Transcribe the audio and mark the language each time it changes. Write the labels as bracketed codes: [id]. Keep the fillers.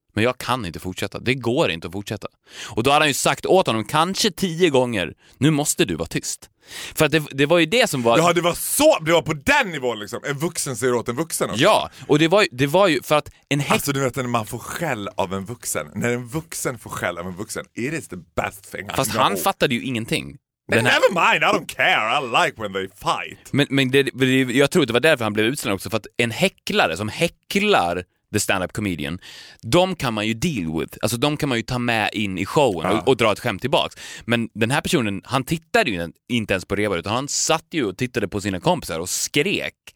[sv] Men jag kan inte fortsätta, det går inte att fortsätta. Och då hade han ju sagt åt honom kanske tio gånger, nu måste du vara tyst. För att det, det var ju det som var... Ja, det var så! Det var på den nivån liksom. En vuxen säger åt en vuxen också. Ja, och det var, ju- det var ju för att en häck... Alltså du vet när man får skäll av en vuxen, när en vuxen får skäll av en vuxen, [en] it is the best thing [sv] Fast [en] I know. [sv] han fattade ju ingenting. Den här- [en] Never mind, I don't care, I like when they fight. [sv] Men, men det, det- jag tror att det var därför han blev utslängd också, för att en häcklare som häcklar the stand-up comedian, de kan man ju [en] deal with, [sv] alltså de kan man ju ta med in i showen och, och dra ett skämt tillbaks. Men den här personen, han tittade ju inte ens på Rebar utan han satt ju och tittade på sina kompisar och skrek